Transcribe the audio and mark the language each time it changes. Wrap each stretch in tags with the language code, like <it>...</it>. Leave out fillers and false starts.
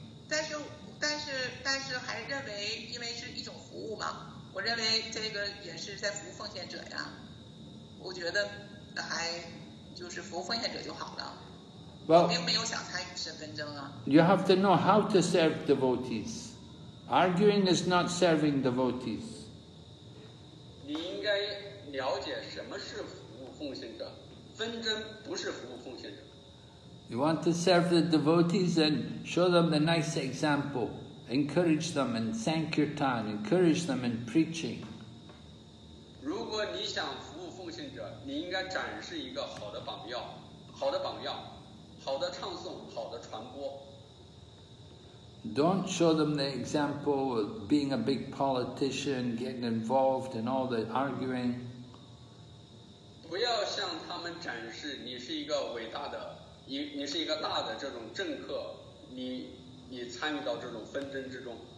<zh>但是还是认为，因为是一种服务嘛，我认为这个也是在服务奉献者呀。我觉得还就是服务奉献者就好了。</zh> <en>Well,</en> <zh>我并没有想参与身份证啊。</zh> <en>You have to know how to serve devotees. Arguing is not serving devotees.</en> <zh>你应该了解什么是服务奉献者，纷争不是服务奉献者。</zh> <en>You want to serve the devotees and show them the nice example, encourage them in sankirtan, encourage them in preaching.</en> <zh>如果你想服务奉献者，你应该展示一个好的榜样，好的榜样，好的唱诵，好的传播。</zh> <en>Don't show them the example of being a big politician, getting involved in all the arguing.</en> <zh>不要向他们展示你是一个伟大的，你是一个大的这种政客，你参与到这种纷争之中。</zh>